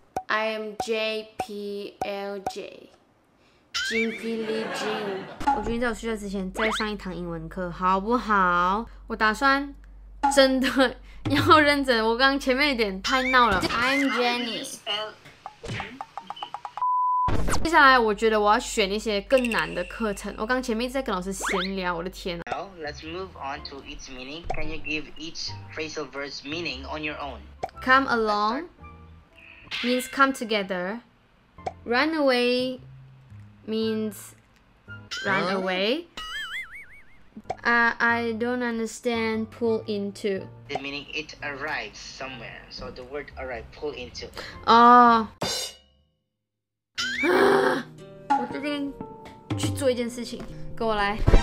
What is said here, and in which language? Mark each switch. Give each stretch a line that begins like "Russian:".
English: I am JPLJ， 金霹雳金。
Chinese: 我决定在我睡觉之前再上一堂英文课，好不好？我打算真的要认真。我刚前面有点太闹了。
English: I'm Jenny。
Chinese: 接下来我觉得我要选一些更难的课程。我刚前面一直在跟老师闲聊，我的天啊。
English: Now let's move on to its meaning. Can you give each phrasal verb's meaning on your own? Come along. Means come together. Run away means run away. I don't understand pull into. The meaning it arrives somewhere. So the word arrive, pull into. Oh.
Chinese: 我决定去做一件事情，跟我来。